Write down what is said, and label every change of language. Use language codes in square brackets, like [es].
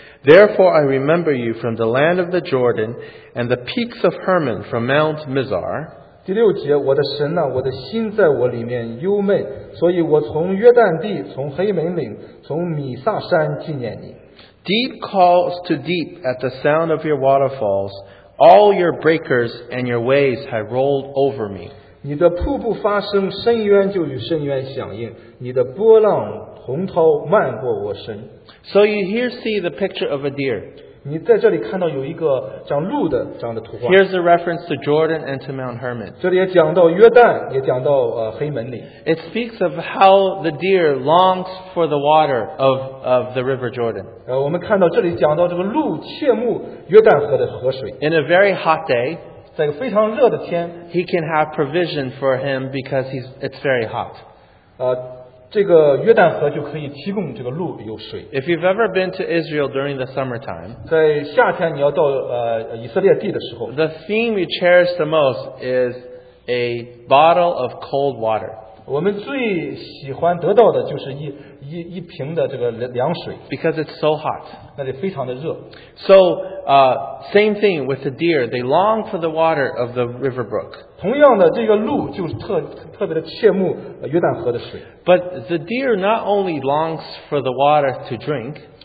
[en] Therefore I remember you from the land of the Jordan and the peaks of Hermon from Mount Mizar. [zh] 第六节，我的神啊，我的心在我里面忧闷，所以我从约旦地，从黑门岭，从米撒山纪念你。 [en] Deep calls to deep at the sound of your waterfalls. All your breakers and your waves have rolled over me. [zh] 你的瀑布发声，深渊就与深渊响应。你的波浪洪涛漫过我身。 [en] So you here see the picture of a deer. [zh] 你在这里看到有一个像鹿的这样的图画。 [en] Here's a reference to Jordan and to Mount Hermon. [zh] 这里也讲到约旦，也讲到黑门岭。 [en] It speaks of how the deer longs for the water of the River Jordan. [zh] 我们看到这里讲到这个鹿切慕约旦河的河水。 [en] In a very hot day, [zh] 在一个非常热的天， [en] he can have provision for him because it's very hot. If you've ever been to Israel during the summertime, [zh] 在夏天你要到, 以色列地的时候, [en] the theme you cherish the most is a bottle of cold water. [zh] 我们最喜欢得到的就是一瓶的这个凉水, [en] because it's so hot. [zh] 那里非常的热, [en] so, same thing with the deer. They long for the water of the river brook. [zh] 同样的这个鹿就特别的切慕约旦河的水。 [en] But the deer not only longs for the water to drink,